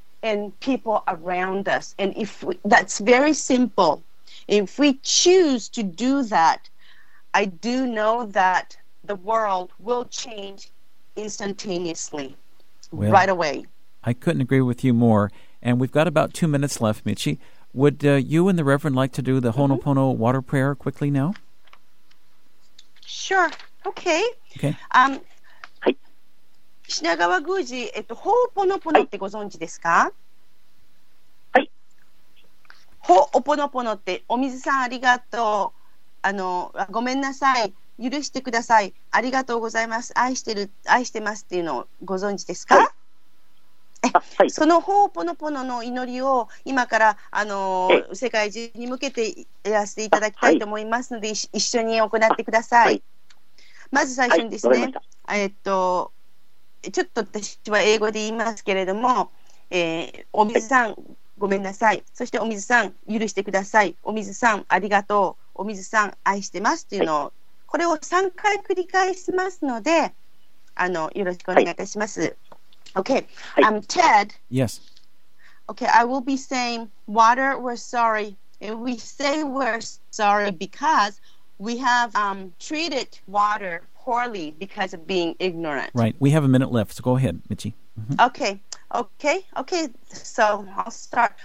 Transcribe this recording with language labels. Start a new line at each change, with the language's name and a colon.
English: And people around us. And if that's very simple, if we choose to do that, I do know that the world will change instantaneously, well, right away. I couldn't agree with you more. And we've got about 2 minutes left, Michi. Would you and the Reverend like to do the Ho'oponopono water prayer quickly now? Sure. Okay. Okay.
Japanese: 品川宮司、ホオポノポノってご存知ですか？はい。ホオポノポノって、お水さんありがとう。ごめんなさい。許してください。ありがとうございます。愛してますっていうのをご存知ですか？はい。はい、そのホオポノポノの祈りを、今から、世界中に向けてやらせていただきたいと思いますので、はい、一緒に行ってください。はい、まず最初にですね、はい、ちょっと私は英語で言いますけれども、お水さんごめんなさい、そしてお水さん許してください、お水さんありがとう、お水さん愛してますというのを、はい、これを3回繰り返しますので、よろしくお願いいたします。
English: はい、OK、はい、I'm Ted. Yes. OK, I will be saying water, we're sorry. And we say we're sorry because we have treated waterPoorly because of being ignorant. Right. We have a minute left, so go ahead, Michi. Mm-hmm. Okay. Okay. Okay. So I'll start.